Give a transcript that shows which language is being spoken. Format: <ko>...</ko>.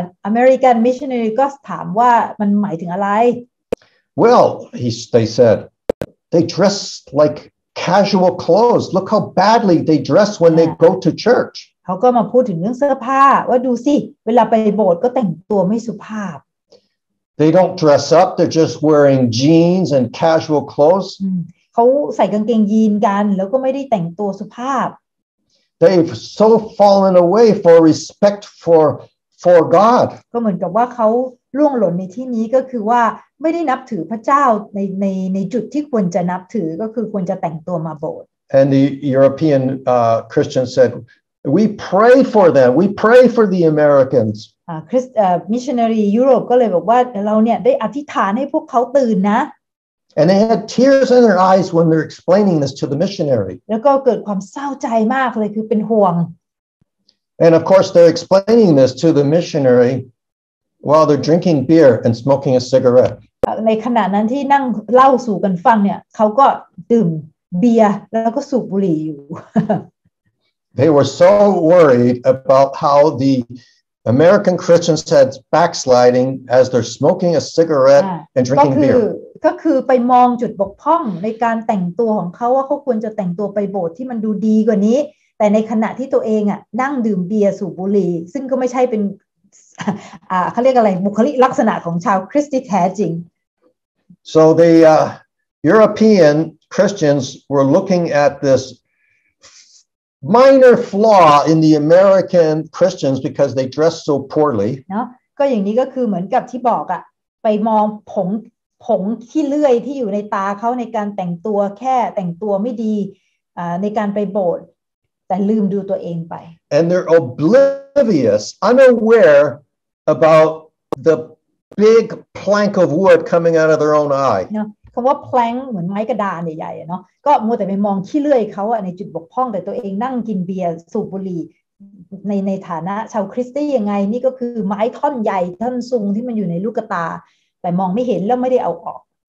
<en>American missionary</en> <th>ก็ถามว่ามันหมายถึงอะไร</th> <en>Well, they said, "They dress like casual clothes. Look how badly they dress when they go to church."</en> <th>เขาก็มาพูดถึงเรื่องเสื้อผ้าว่าดูสิเวลาไปโบสถ์ก็แต่งตัวไม่สุภาพ</th> <en>They don't dress up they're just wearing jeans and casual clothes</en> <th>เขาใส่กางเกงยีนกันแล้วก็ไม่ได้แต่งตัวสุภาพ</th> <en>They've so fallen away for respect for God</en> <th>ก็เหมือนกับว่าเขาล่วงหล่นในที่นี้ก็คือว่าไม่ได้นับถือพระเจ้าในจุดที่ควรจะนับถือก็คือควรจะแต่งตัวมาโบสถ์</th> <en>And the European Christian saidWe pray for them. We pray for the Americans. Missionary Europe</en> <th>ก็เลยบอกว่าเราเนี่ยได้อธิษฐานให้พวกเขาตื่นนะ</th> <en>And they had tears in their eyes when they're explaining this to the missionary.</en> <th>แล้วก็เกิดความเศร้าใจมากเลยคือเป็นห่วง</th> <en>And of course they're explaining this to the missionary while they're drinking beer and smoking a cigarette.</en> <th>ในขณะนั้นที่นั่งเล่าสู่กันฟังเนี่ยเขาก็ดื่มเบียร์แล้วก็สูบบุหรี่อยู่</th> <en>They were so worried about how the American Christians had backsliding as they're smoking a cigarette and drinking beer.</en> <th>ก็คือไปมองจุดบกพร่องในการแต่งตัวของเขาว่าเขาควรจะแต่งตัวไปโบสถ์ที่มันดูดีกว่านี้แต่ในขณะที่ตัวเองอ่ะนั่งดื่มเบียร์สูบบุหรี่ซึ่งก็ไม่ใช่เป็นเขาเรียกอะไรบุคลิกลักษณะของชาวคริสต์ที่แท้จริง</th> <en>So the European Christians were looking at thisminor flaw in the American Christians because they dress so poorly</en> <th>เนาะก็อย่างนี้ก็คือเหมือนกับที่บอกอะไปมองผงที่เลื่อยที่อยู่ในตาเขาในการแต่งตัวแค่แต่งตัวไม่ดีในการไปโบสถ์แต่ลืมดูตัวเองไป</th> <en>and they're oblivious unaware about the big plank of wood coming out of their own eye</en> <th>เนาะคำว่า plank เหมือนไม้กระดานใหญ่ๆเนาะก็มัวแต่ไปมองขี้เลื่อยเขาอะในจุดบกพร่องแต่ตัวเองนั่งกินเบียร์สูบบุหรี่ในฐานะชาวคริสเตียนยังไงนี่ก็คือไม้ท่อนใหญ่ท่อนซุงที่มันอยู่ในลูกตาแต่มองไม่เห็นแล้วไม่ได้เอาออก</th>